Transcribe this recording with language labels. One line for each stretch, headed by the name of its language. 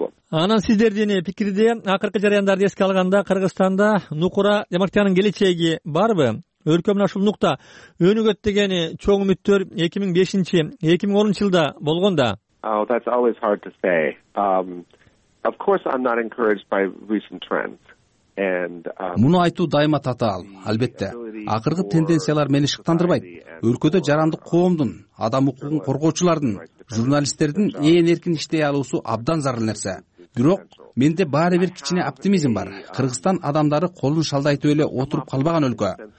Kyrgyz: Анан сиздердин пикирде акыркы жараяндарды эске алганда Кыргызстанда нукура демократиянын келечеги барбы? өлкөмүн ашул нукта өнүгөт дегени чоң үмүттөр 2005-2010 жылда болгон да.
English: Oh, that's always hard to say. Of course, I'm not encouraged by recent trends.
Kyrgyz: Муну айтуу дайыма татаал, албетте. Акыркы тенденциялар мени шыктандырбайт. Өлкөдө жарандык коомдун, адам укугун коргоочулардын, журналисттердин ээн эркин иштей алуусу абдан зарыл нерсе. Бирок менде баары бир кичине оптимизм бар. Кыргызстан адамдары колун шалдайтып эле отуруп калбаган өлкө.